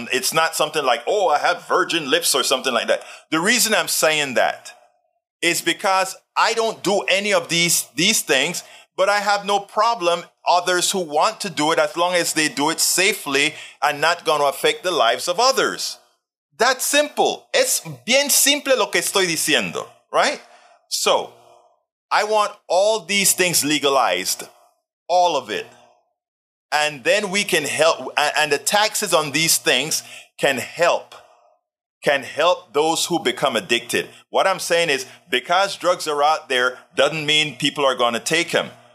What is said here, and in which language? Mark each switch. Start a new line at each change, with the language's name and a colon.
English: It's not something like, oh, I have virgin lips or something like that. The reason I'm saying that is because I don't do any of these things, but I have no problem others who want to do it as long as they do it safely and not going to affect the lives of others. That's simple.
Spanish: Es bien simple lo que estoy diciendo,
English: right? So I want all these things legalized, all of it. And then we can help, and the taxes on these things can help those who become addicted. What I'm saying is, because drugs are out there, doesn't mean people are going to take them.